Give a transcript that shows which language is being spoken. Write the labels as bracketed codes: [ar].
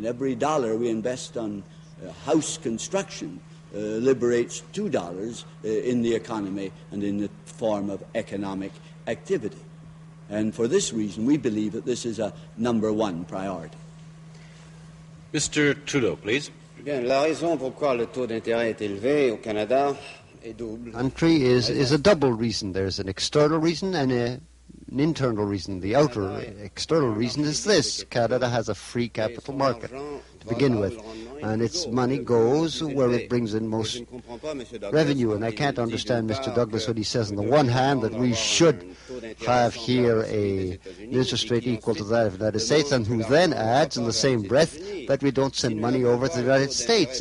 [en] And every dollar we invest on house construction liberates $2 in the economy and in the form of economic activity. And for this reason, we believe that this is a number one priority. Mr. Trudeau, please. [fr] Bien, la raison pourquoi le taux d'intérêt est élevé au Canada est double. [en] Country is a double reason. There's an external reason and an internal reason. The outer external reason is this: Canada has a free capital market to begin with, and its money goes where it brings in most revenue. And I can't understand Mr. Douglas when he says, on the one hand, that we should have here an interest rate equal to that of the United States, and who then adds in the same breath that we don't send money over to the United States.